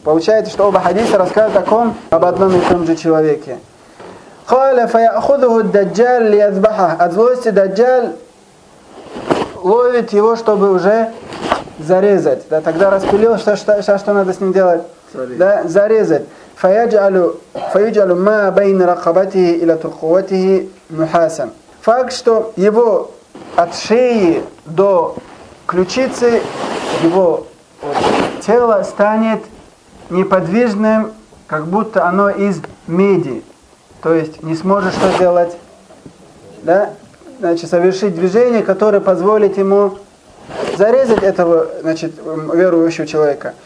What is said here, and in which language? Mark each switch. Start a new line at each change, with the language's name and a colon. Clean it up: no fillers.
Russian: Получается, что оба хадиса рассказывают о ком? Об одном и том же человеке.
Arabic: قال فياخذه الدجال ليذبحه اذوسي دجال
Russian: ловит его, чтобы уже зарезать, да, тогда распилил, что надо с ним делать.
English: Sorry.
Russian: Да, зарезать.
Arabic: فيجعل ما بين رقبته الى ترقوته نحاسا.
Russian: Факт, что его от шеи до ключицы, его тело станет неподвижным, как будто оно из меди. То есть не сможет что делать, да? Значит, совершить движение, которое позволит ему зарезать этого, значит, верующего человека.